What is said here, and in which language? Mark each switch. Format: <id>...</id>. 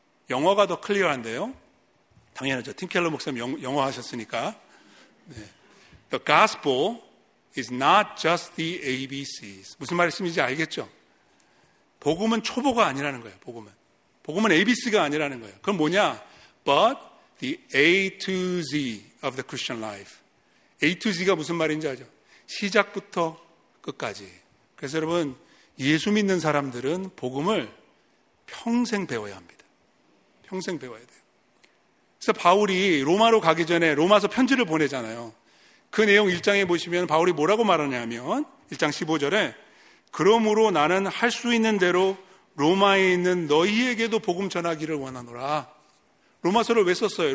<ko>영어가 더 클리어한데요. 당연하죠. 팀 켈러 목사님 영어 하셨으니까.</ko> <en>네. The gospel is not just the ABCs.</en> <ko>무슨 말씀인지 알겠죠? 복음은 초보가 아니라는 거예요. 복음은. 복음은 ABC가 아니라는 거예요. 그럼 뭐냐?</ko> <en>But the A to Z of the Christian life.</en> <ko>A to Z가 무슨 말인지 알죠? 시작부터 끝까지. 그래서 여러분, 예수 믿는 사람들은 복음을 평생 배워야 합니다. 평생 배워야 돼요. 그래서 바울이 로마로 가기 전에 로마서 편지를 보내잖아요. 그 내용 1장에 보시면 바울이 뭐라고 말하냐면, 1장 15절에 그러므로 나는 할 수 있는 대로 로마에 있는 너희에게도 복음 전하기를 원하노라. 로마서를 왜 썼어요?</ko>